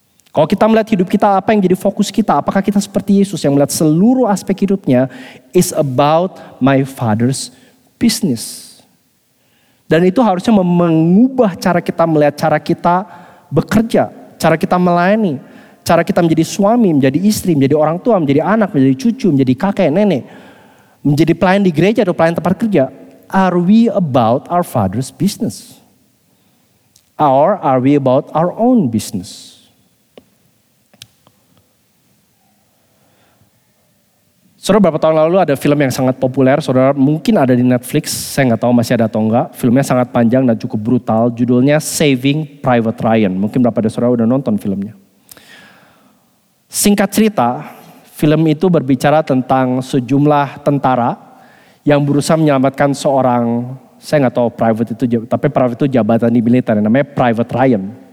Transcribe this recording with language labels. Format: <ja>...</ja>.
<id>Kalau kita melihat hidup kita, apa yang jadi fokus kita? Apakah kita seperti Yesus yang melihat seluruh aspek hidupnya</id> <en>is about my father's business?</en> <id>Dan itu harusnya mengubah cara kita melihat, cara kita bekerja, cara kita melayani, cara kita menjadi suami, menjadi istri, menjadi orang tua, menjadi anak, menjadi cucu, menjadi kakek, nenek, menjadi pelayan di gereja atau pelayan tempat kerja.</id> <en>Are we about our father's business? Or are we about our own business?</en> <id>Saudara, beberapa tahun lalu ada film yang sangat populer, saudara mungkin ada di Netflix, saya gak tahu masih ada atau enggak. Filmnya sangat panjang dan cukup brutal, judulnya Saving Private Ryan. Mungkin beberapa dari saudara udah nonton filmnya. Singkat cerita, film itu berbicara tentang sejumlah tentara yang berusaha menyelamatkan seorang, saya gak tahu private itu, tapi private itu jabatan di militer, namanya Private Ryan.</id>